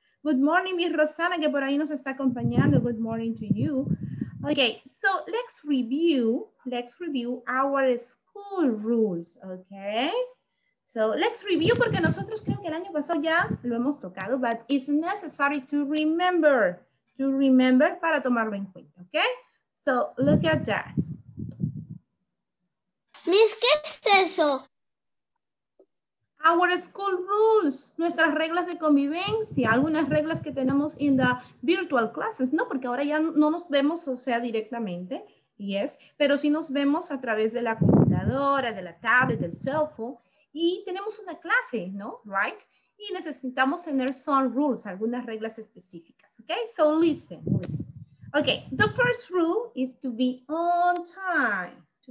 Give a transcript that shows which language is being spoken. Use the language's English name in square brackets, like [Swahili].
[English] Good morning, [Spanish] Miss Rosana, que por ahí nos está acompañando. [English] Good morning to you. Okay, so let's review our school rules, okay? So let's review, [Spanish] porque nosotros creo que el año pasado ya lo hemos tocado, [English] but it's necessary to remember [Spanish] para tomarlo en cuenta, okay? [English] So look at that. [Spanish] Miss, ¿qué es eso? [English] Our school rules, [Spanish] nuestras reglas de convivencia, algunas reglas que tenemos [English] in the virtual classes, [Spanish] ¿no? Porque ahora ya no nos vemos, o sea, directamente, yes, pero sí nos vemos a través de la computadora, de la tablet, del cell phone, y tenemos una clase, ¿no? Right? Y necesitamos tener [English] some rules, [Spanish] algunas reglas específicas, okay? [English] So listen. Okay, the first rule is to be on time.